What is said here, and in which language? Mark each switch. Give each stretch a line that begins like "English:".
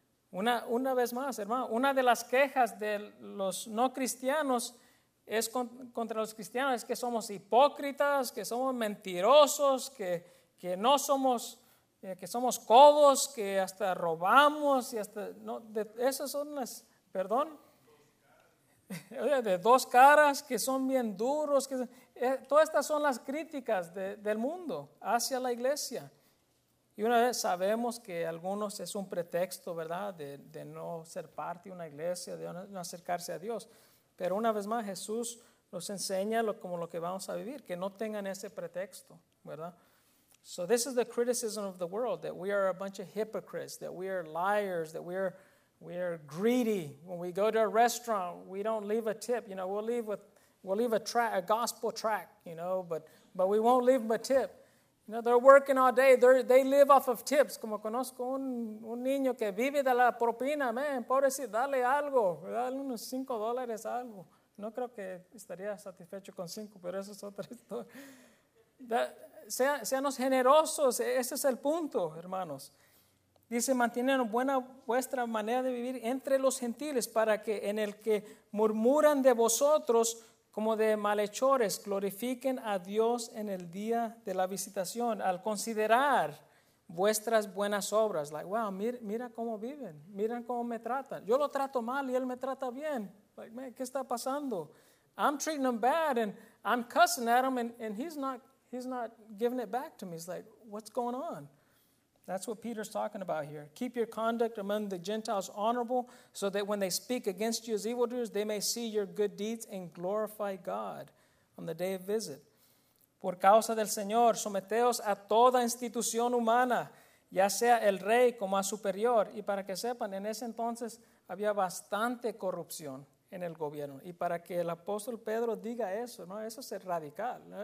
Spanish: Una vez más, hermano, una de las quejas de los no cristianos es contra los cristianos, es que somos hipócritas, que somos mentirosos, que no somos, que somos codos, que hasta robamos y hasta, no, esas son las, perdón, de dos caras, que son bien duros, que todas estas son las críticas del mundo hacia la iglesia. Y una vez sabemos que algunos es un pretexto, ¿verdad?, de no ser parte de una iglesia, de no acercarse a Dios. Pero una vez más, Jesús nos enseña como lo que vamos a vivir, que no tengan ese pretexto, ¿verdad?
English: So this is the criticism of the world, that we are a bunch of hypocrites, that we are liars, that we are greedy. When we go to a restaurant, we don't leave a tip. You know, we'll leave a gospel track, you know, but we won't leave them a tip. You know, they're working all day. They live off of tips.
Spanish: Como conozco un niño que vive de la propina, man. Pobrecito, dale algo. Dale unos $5, algo. No creo que estaría satisfecho con cinco, pero eso es otra historia. Seamos generosos. Ese es el punto, hermanos. Dice, mantener buena vuestra manera de vivir entre los gentiles para que en el que murmuran de vosotros como de malhechores, glorifiquen a Dios en el día de la visitación al considerar vuestras buenas obras.
English: Like, wow,
Spanish: mira cómo viven. Miren cómo me tratan. Yo lo trato mal y él me trata bien.
English: Like, man,
Spanish: ¿qué está pasando?
English: I'm treating him bad and I'm cussing at him and he's not giving it back to me. He's like, what's going on? That's what Peter's talking about here. Keep your conduct among the Gentiles honorable so that when they speak against you as evildoers, they may see your good deeds and glorify God on the day of visit.
Spanish: Por causa del Señor, someteos a toda institución humana, ya sea el rey como a superior. Y para que sepan, en ese entonces había bastante corrupción en el gobierno. Y para que el apóstol Pedro diga eso, ¿no? Eso es radical.